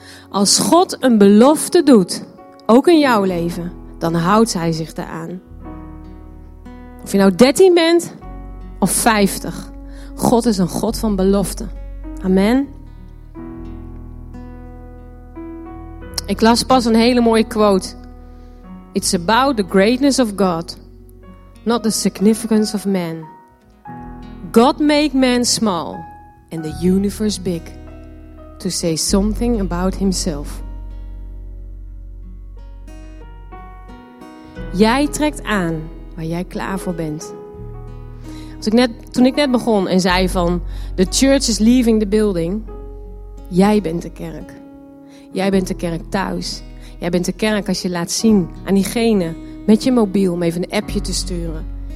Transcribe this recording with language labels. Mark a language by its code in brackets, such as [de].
[nl] Als God een belofte doet, ook in jouw leven, dan houdt hij zich eraan. Of je nou 13 bent of 50. God is een God van belofte. Amen. Ik las pas een hele mooie quote. [en] It's about the greatness of God, not the significance of man. God make man small and the universe big to say something about himself. [nl] Jij trekt aan waar jij klaar voor bent. Toen ik net begon en zei van, [en] the church is leaving the building. [nl] Jij bent de kerk. Jij bent de kerk thuis. Jij bent de kerk als je laat zien aan diegene met je mobiel om even een appje te sturen.